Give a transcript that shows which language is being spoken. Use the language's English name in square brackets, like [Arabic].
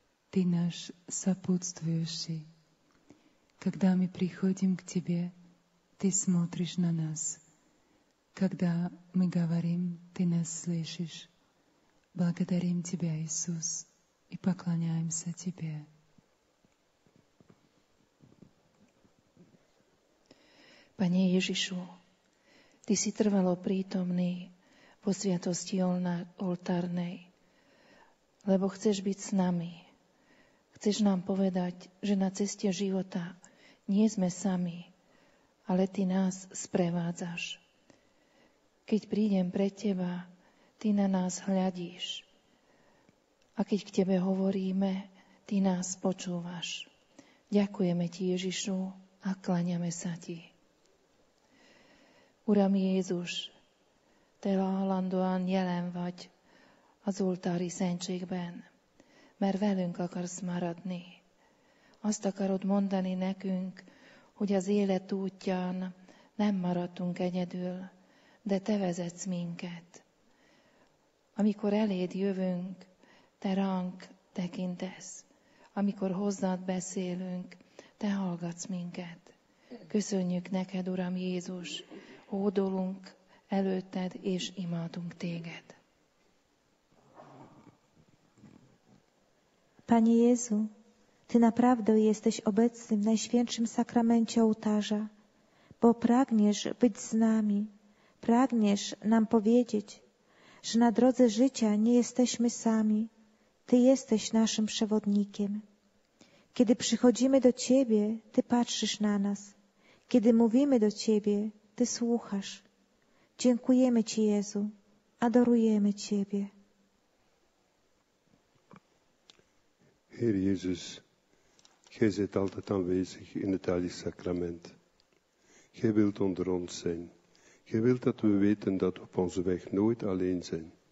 [Russian] Ты наш сопутствующий. Когда мы приходим к Тебе, Ты смотришь на нас. Когда мы говорим, Ты нас слышишь. Благодарим Тебя, Иисус, и поклоняемся Тебе. [Slovak] Пане Ježišu, Ty si trvalo prítomný po sviatosti oltárnej, lebo chceš byť s nami. Chceš nám povedať, že na ceste života nie sme sami, ale Ty nás sprevádzaš. Keď prídem pre Teba, Ty na nás hľadíš. A keď k Tebe hovoríme, Ty nás počúvaš. Ďakujeme Ti, Ježišu, a kláňame sa Ti. [Hungarian] Uram Jézus, Te állandóan jelen vagy az oltári szentségben, mert velünk akarsz maradni. Azt akarod mondani nekünk, hogy az élet útján nem maradtunk egyedül, de Te vezetsz minket. Amikor eléd jövünk, Te ránk tekintesz. Amikor hozzád beszélünk, Te hallgatsz minket. Köszönjük neked, Uram Jézus, hódolunk előtted, és imádunk téged. [Polish] Panie Jezu, Ty naprawdę jesteś obecny w Najświętszym Sakramencie Ołtarza, bo pragniesz być z nami, pragniesz nam powiedzieć, że na drodze życia nie jesteśmy sami, Ty jesteś naszym przewodnikiem. Kiedy przychodzimy do Ciebie, Ty patrzysz na nas. Kiedy mówimy do Ciebie, Ty słuchasz. Dziękujemy Ci, Jezu, adorujemy Ciebie. [Dutch] Herr Jesus, Gij zijt altijd aanwezig in het heilige sacrament. Gij wilt onder ons zijn. Gij wilt dat we weten dat we op onze weg nooit alleen zijn.